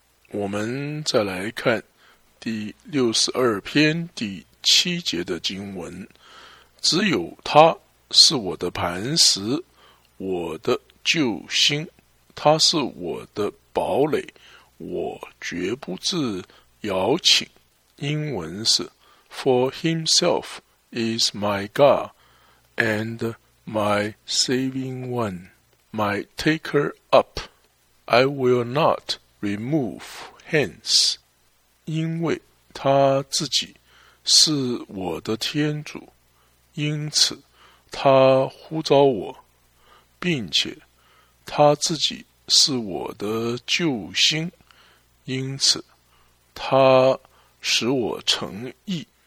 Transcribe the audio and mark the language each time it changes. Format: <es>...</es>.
<zh>我们再来看第62篇第7节的经文，只有他是我的磐石，我的救星，他是我的堡垒，我绝不致摇请。英文是</zh> <en>For himself is my God and my saving one, my taker up, I will not remove. Hence,</en> <zh>因为他自己是我的天主，因此他呼召我，并且他自己是我的救星，因此他使我诚意，</zh>